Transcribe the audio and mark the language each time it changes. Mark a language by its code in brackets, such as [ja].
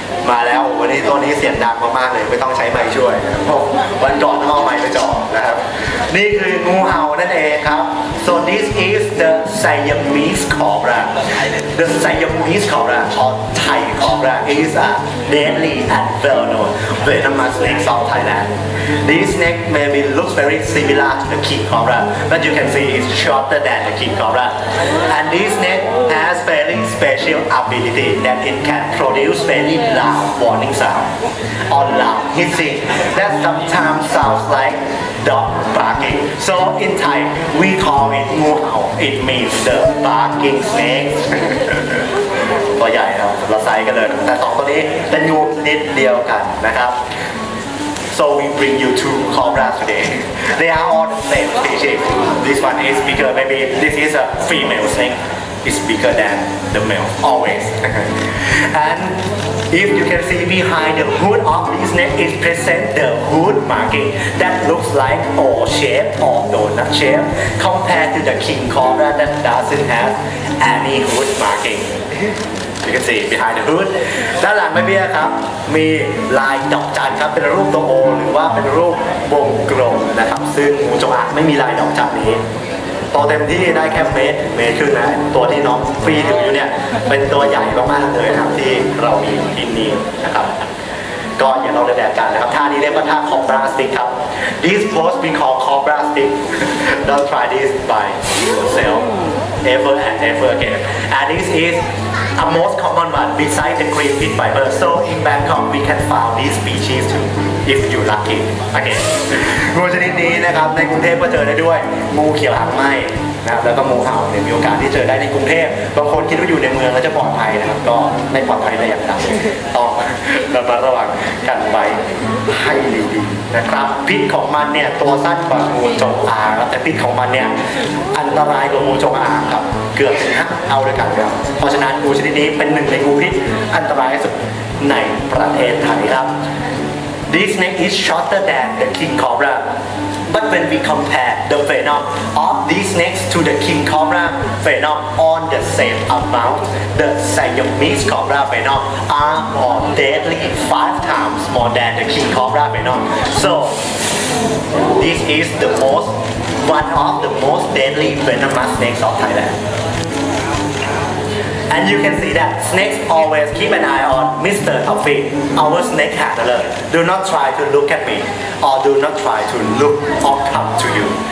[th] มาแล้ววันนี้ตัวนี้เสียงดังมากๆเลยไม่ต้องใช้ไมค์ช่วยวันก่อนต้องเอาไมค์ไปจ่อนะครับนี่คืองูเห่านั่นเองครับ [en] so this is the Siamese cobra the Siamese cobra or Thai cobra is a deadly and well known venomous snake from ThailandThis snake maybe looks very similar to the king cobra, but you can see it's shorter than the king cobra. And this snake has very special ability that it can produce very loud warning sound or loud hissing that sometimes sounds like dog barking. So in Thai, we call it ngu hao. It means the barking snake. [th] ตัวใหญ่ครับเราไซส์กันเลยแต่สองตัวนี้เป็นงูนิดเดียวกันนะครับ [en] So we bring you two cobras today. They are all the same species. This one is bigger, maybe this is a female snake. It's bigger than the male, always. And if you can see behind the hood of this snake, it presents the hood marking that looks like oval shape or donut shape compared to the king cobra that doesn't have any hood marking. You can see behind the hood [th] ด้านหลังไม่เบี้ยครับมีลายดอกจันครับเป็นรูปตัวโอหรือว่าเป็นรูปวงกลมนะครับซึ่งงูจงอางไม่มีลายดอกจันนี้ตัวเต็มที่ได้แค่เมตรครึ่งนะตัวที่น้องฟรีถืออยู่เนี่ยเป็นตัวใหญ่มากๆเลยครับที่เรามีที่นี้นะครับก็อย่าลองเล่นแบบกันนะครับท่านี้เรียกว่าท่าคอบราสติกครับ [en] This pose we call cobra stick Don't try this by yourselfEver and ever again. And this is a most common one besides the green pit viper. So in Bangkok, we can find this species too, if you lucky. Okay. [th] งูชนิดนี้นะครับในกรุงเทพก็เจอได้ด้วยงูเขียวหางไหม้นะครับแล้วก็งูเห่าเนี่ยมีโอกาสที่เจอได้ในกรุงเทพบางคนคิดว่าอยู่ในเมืองแล้วจะปลอดภัยนะครับก็ไม่ปลอดภัยในอย่างนั้นต้องระมัดระวังกันไป ให้ดีนะครับพิษของมันเนี่ยตัวสั้นกว่างูจงอางครับแต่พิษของมันเนี่ย อันตรายกว่างูจงอางครับเกือบนะเอาเลยกันครับเพราะฉะนั้นงูชนิดนี้เป็นหนึ่งในงูพิษอันตรายที่สุดในประเทศไทยครับ [en] This snake is shorter than the king cobra, but when we compare the venom of these snakes to the king cobra venom on the same amount, the Siamese cobra venom are more deadly 5 times more than the king cobra venom. So this is the most one of the most deadly venomous snakes of Thailand. And you can see that snakes always keep an eye on Mr. Tuffy, our snake handler. Do not try to look at me, or do not try to look or come to you.